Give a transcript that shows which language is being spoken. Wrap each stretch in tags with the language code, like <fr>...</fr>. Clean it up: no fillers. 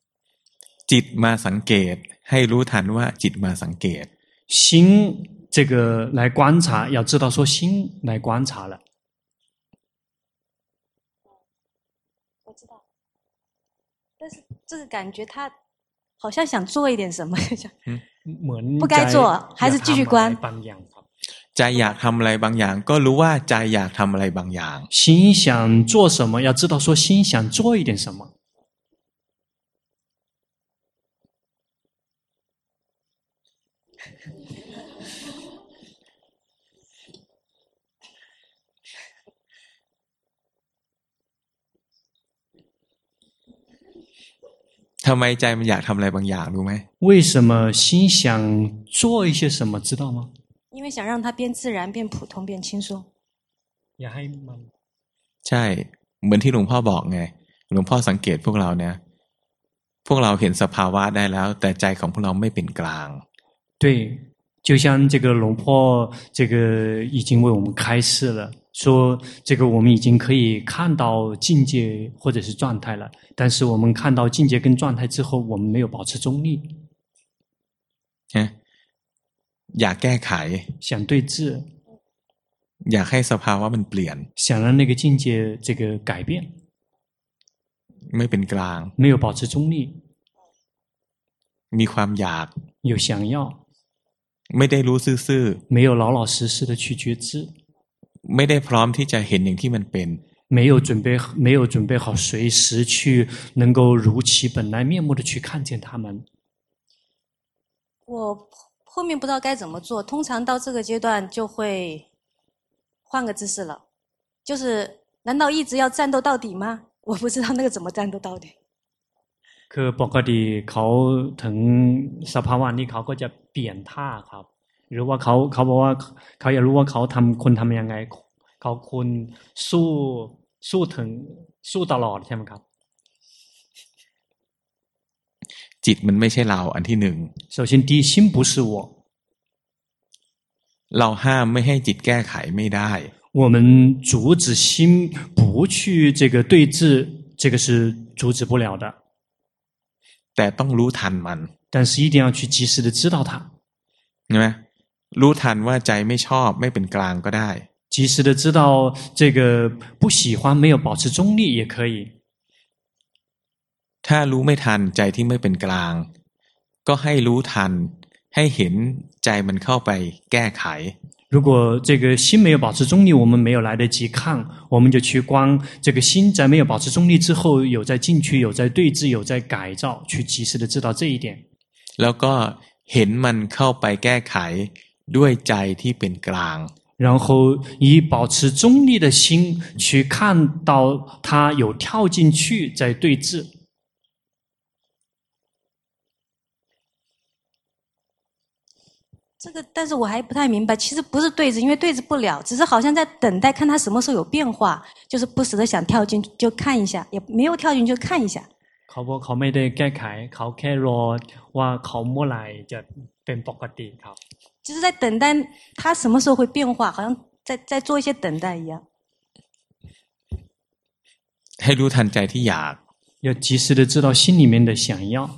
<th>ๆจิตมาสังเกตให้รู้ทันว่าจิตมาสังเกต</th> <zh>心这个来观察要知道说心来观察了我知道但是这个感觉他好像想做一点什么，</zh> <th>เหมือน</th> <zh>不该做，还是继续关。</zh> <th>ใจอยากทำอะไรบางอย่างก็รู้ว่าใจอยากทำอะไรบางอย่าง</th> <zh>心想做什么要知道说心想做一点什么</zh> <th>ทำไมใจมันอยากทำอะไรบางอย่างรู้ไหม</th> <zh>为什么心想做一些什么知道吗因为想让它变自然变普通变轻松</zh> <th>อย่าให้มัน ใช่เหมือนที่หลวงพ่อบอกไงหลวงพ่อสังเกตพวกเราเนี่ยพวกเราเห็นสภาวะได้แล้วแต่ใจของพวกเราไม่เป็นกลาง</th> <zh>对就像这个龙婆这个已经为我们开示了说这个我们已经可以看到境界或者是状态了但是我们看到境界跟状态之后我们没有保持中立</zh> <th>อยากแก้ไข</th> <zh>想对治</zh> <th>อยากให้สภาวะมันเปลี่ยน</th> <zh>想让那个境界这个改变</zh> <th>ไม่เป็นกลาง</th> <zh>没有保持中立</zh> <th>มีความอยาก</th> <zh>有想要</zh> <th>ไม่ได้รู้ซื่อ</th> <zh>ๆ没有老老实实的去觉知</zh> <th>ไม่ได้พร้อมที่จะเห็นอย่างที่มันเป็น</th> <zh>没有准备好随时去能够如其本来面目的去看见他们我后面不知道该怎么做通常到这个阶段就会换个姿势了就是难道一直要战斗到底吗我不知道那个怎么战斗到底</zh> <th>คือปกติเขาถึงสภาวะนี้เขาก็จะเปลี่ยนท่าครับหรือว่าเขาบอกว่าเขาอยากรู้ว่าเขาทำคนทำยังไงเขาคนสู้ถึงสู้ตลอดใช่ไหมครับ จิตมันไม่ใช่เราอันที่หนึ่ง</th> <zh>首先第一心不是我</zh> <th>เราห้ามไม่ให้จิตแก้ไขไม่ได้</th> <zh>我们阻止心不去这个对治这个是阻止不了的</zh> <th>แต่ต้องรู้ทันมัน</th> <zh>但是一定要去及时的知道它</zh> <th>เห็นไหมรู้ทันว่าใจไม่ชอบไม่เป็นกลางก็ได้</th> <zh>及时的知道这个不喜欢没有保持中立也可以</zh> <th>ถ้ารู้ไม่ทันใจที่ไม่เป็นกลางก็ให้รู้ทันให้เห็นใจมันเข้าไปแก้ไข</th> <zh>如果这个心没有保持中立我们没有来得及看我们就去观这个心在没有保持中立之后有在进去有在对治有在改造去及时的知道这一点</zh> <th>แล้วก็เห็นมันเข้าไปแก้ไขด้วยใจที่เป็นกลาง</th> <zh>然后以保持中立的心去看到它有跳进去在对治这个但是我还不太明白其实不是对着因为对着不了只是好像在等待看他什么时候有变化就是不时的想跳进去就看一下也没有跳进去就看一下</zh> <th>เขาไม่ได้แก้ไขเขาแค่รอว่าเขาเมื่อไหร่จะเป็นปกติครับ</th> <zh>就是在等待他什么时候会变化好像在做一些等待一样</zh> <th>ให้รู้ทันใจที่อยาก</th> <zh>要及时的知道心里面的想要</zh>